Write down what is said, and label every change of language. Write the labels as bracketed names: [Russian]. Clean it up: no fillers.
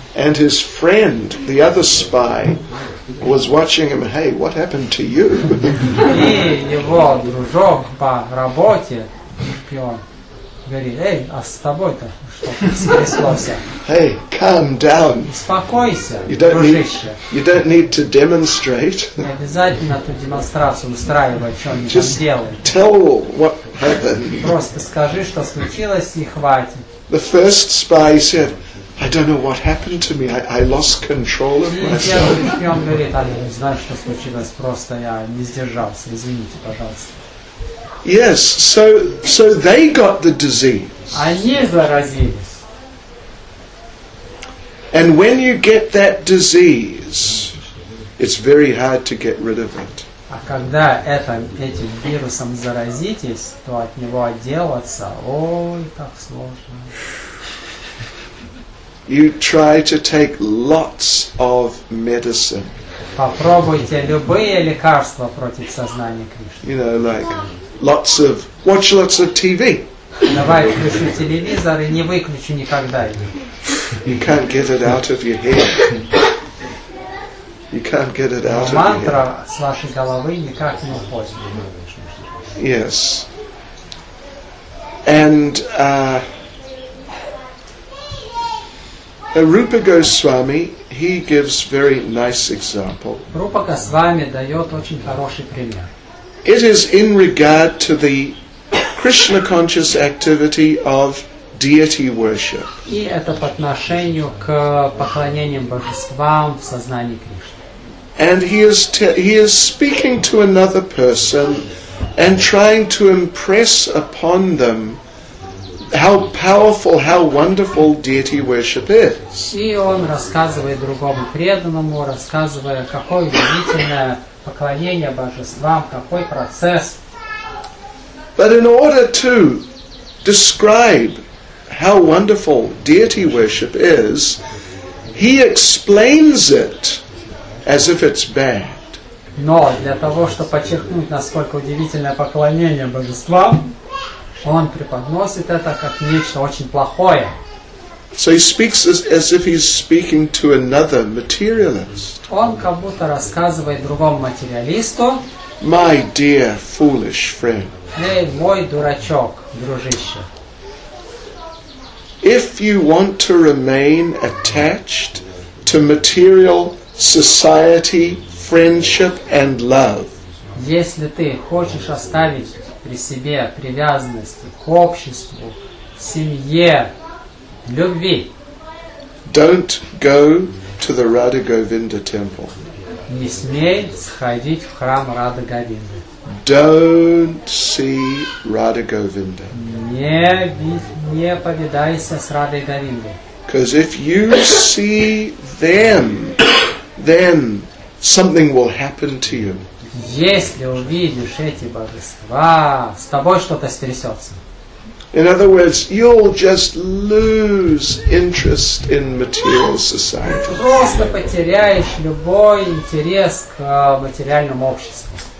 [English] And his friend, the other spy, was watching him. Hey, what happened to you? [Russian] И его дружок по работе, шпион, говорит, эй, а с тобой-то что стряслось? [English] Hey, calm down. [Russian] Успокойся, дружище. [English] You don't need to demonstrate. [Russian] Не обязательно эту демонстрацию устраивать, что они там делают. [English] Tell what heaven. [Russian] Просто скажи, что случилось, и хватит. [English] The first spy said, I don't know what happened to me. I lost control of myself. [Russian] И он говорит, а я не знаю, что случилось. Просто я не сдержался. Извините, пожалуйста. [English] Yes, so they got the disease. [Russian] Они заразились. [English] And when you get that disease, it's very hard to get rid of it. [Russian] А когда этим вирусом заразитесь, то от него отделаться, ой, как сложно. [English] You try to take lots of medicine. [Russian] Попробуйте любые лекарства против сознания Кришны. [English] You know, like lots of watch lots of TV. [Russian] Давай включу телевизор и не выключу никогда его. [English] You can't get it out of your head. You can't get it out of your head. [Russian] Мантра с вашей головы никак не уходит. [English] Yes. And Rupa Goswami, he gives very nice example. [Russian] Рупа Госвами дает очень хороший пример. [English] It is in regard to the Krishna conscious activity of deity worship. [Russian] И это по отношению к поклонениям божествам в сознании Кришны. [English] And he is speaking to another person and trying to impress upon them how powerful, how wonderful deity worship is. [Russian] И он рассказывает другому преданному, рассказывая, какое удивительное поклонение божествам, какой процесс. [English] But in order to describe how wonderful deity worship is, he explains it as if it's bad. [Russian] Но для того, чтобы подчеркнуть, насколько удивительное поклонение божествам, он преподносит это как нечто очень плохое. [English] So he speaks as if he's speaking to another materialist. [Russian] Он как будто рассказывает другому материалисту. [English] My dear foolish friend. [Russian] Эй, мой дурачок, дружище. [English] If you want to remain attached to material society, friendship and love. [Russian] Если ты хочешь оставить при себе привязанности к обществу, семье, любви. [English] Don't go to the Radha Govinda temple. [Russian] Не смей сходить в храм Радха Говинды. [English] Don't see Radha Govinda. [Russian] Не повидайся с Радхой Говиндой. [English] Because if you see them, then something will happen to you. [Russian] Если увидишь эти божества, с тобой что-то стрясется. [English] In other words, you'll just lose interest in material society. [Russian] Просто потеряешь любой интерес к материальному обществу.